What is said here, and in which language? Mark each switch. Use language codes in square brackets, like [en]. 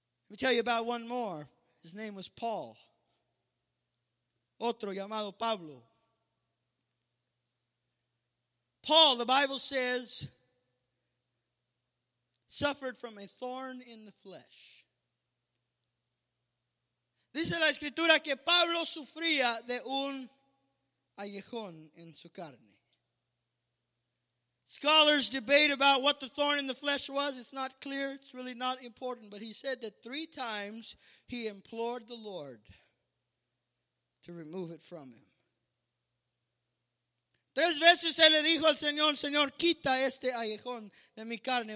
[en] Let me tell you about one more. His name was Paul. [es] Otro llamado Pablo. [en] Paul, the Bible says, suffered from a thorn in the flesh. [es] Dice la escritura que Pablo sufría de un aguijón en su carne. [en] Scholars debate about what the thorn in the flesh was. It's not clear. It's really not important. But he said that three times he implored the Lord to remove it from him. [es] Tres veces se le dijo al Señor, Señor, quita este aguijón de mi carne.